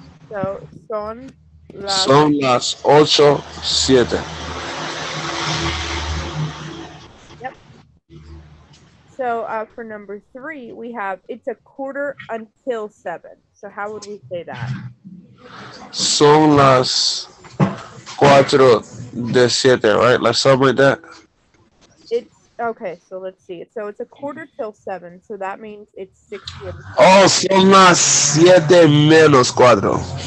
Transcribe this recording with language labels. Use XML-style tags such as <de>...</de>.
<es>So son las, son las ocho siete.</es> <en>So for number three, we have it's a quarter until seven. So how would we say that?</en> <es>Son las cuatro de siete, right?</es> <en>Like something like that. It's okay. So let's see. So it's a quarter till seven. So that means it's 6 minutes.</en> <es>Oh, son las siete menos cuatro.</es>